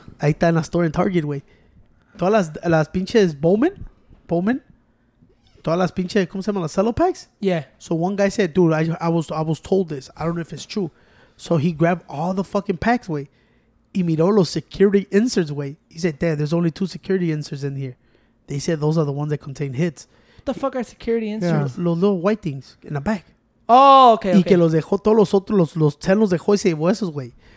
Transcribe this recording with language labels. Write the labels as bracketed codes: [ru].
[es] Ahí está en la store in Target, güey. Todas las pinches Bowman, todas las pinches, ¿cómo se llama? Las cello packs? [en] Yeah. So one guy said, dude, I was told this. I don't know if it's true. So he grabbed all the fucking packs, güey. [es] Y miró los security inserts, güey. [en] He said, damn, there's only two security inserts in here. They said those are the ones that contain hits. What the fuck are security inserts? Yeah. Los little white things in the back. Oh, okay. [es] Y [en] okay. [es] Que los dejó todos los otros, los 10 los dejó y se llevó esos, güey.